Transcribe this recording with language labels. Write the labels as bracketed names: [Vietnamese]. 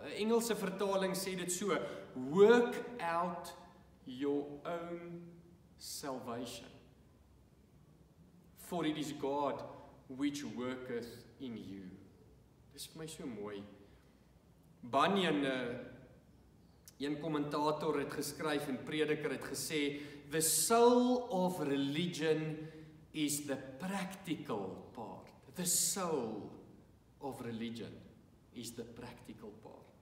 [Afrikaans] 'N Engelse vertaling sê dit so, [English] work out your own salvation, for it is God which worketh in you. [Afrikaans] Dis vir my so mooi. Bunyan, 'n kommentator het geskryf en prediker het gesê, [English] the soul of religion is the practical part. The soul of religion is the practical part.